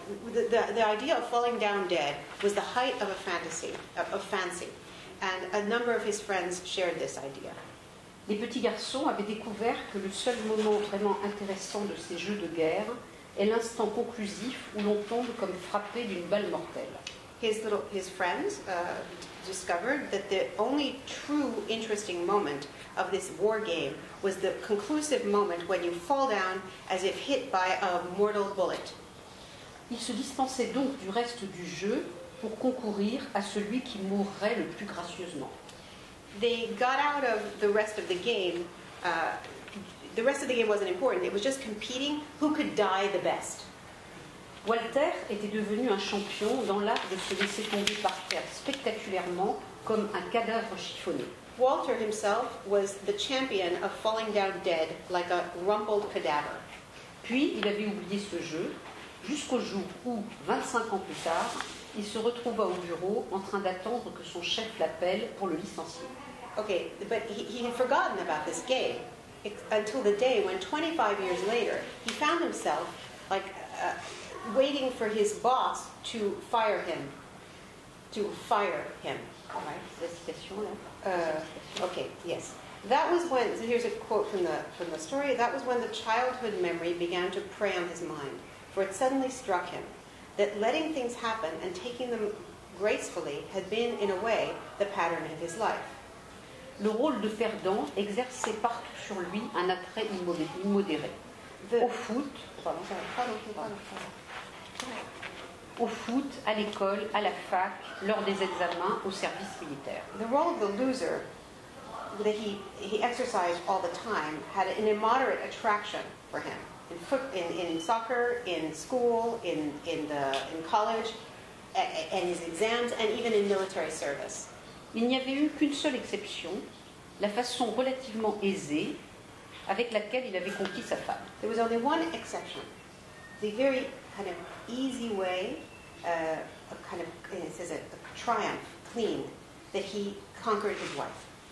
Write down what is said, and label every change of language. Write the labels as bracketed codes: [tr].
[en] The idea of falling down dead was the height of a fantasy, of fancy. And a number of his friends shared this idea. [fr] Les petits garçons avaient découvert que le seul moment vraiment intéressant de ces jeux de guerre est l'instant conclusif où l'on tombe comme frappé d'une balle mortelle. [en] His friends discovered that the only true interesting moment of this war game was the conclusive moment when you fall down as if hit by a mortal bullet. [fr] Ils se dispensaient donc du reste du jeu pour concourir à celui qui mourrait le plus gracieusement. [en] They got out of the rest of the game. The rest of the game wasn't important. It was just competing who could die the best. [fr] Walter était devenu un champion dans l'art de se laisser tomber par terre spectaculairement comme un cadavre chiffonné. [en] Walter himself was the champion of falling down dead like a rumpled cadaver. [fr] Puis il avait oublié ce jeu jusqu'au jour où, 25 ans plus tard, il se retrouva au bureau en train d'attendre que son chef l'appelle pour le licencier. [en] Okay, but he had forgotten about this game until the day when 25 years later he found himself like waiting for his boss to fire him. [fr] Right, la citation là. [en] Okay, yes. That was when, so here's a quote from the story, that was when the childhood memory began to prey on his mind, for it suddenly struck him that letting things happen and taking them gracefully had been, in a way, the pattern of his life. [fr] Le rôle de perdant exerçait partout sur lui un attrait immodéré. Au foot, à l'école, à la fac, lors des examens, au service militaire. [en] The role of the loser that he exercised all the time had an immoderate attraction for him. In soccer, in school, in college, and his exams, and even in military service. [fr] Il n'y avait eu qu'une seule exception, la façon relativement aisée avec laquelle il avait conquis sa femme. [en] There was only one exception, the very kind of easy way, a kind of, it says a triumph, clean, that he conquered his wife.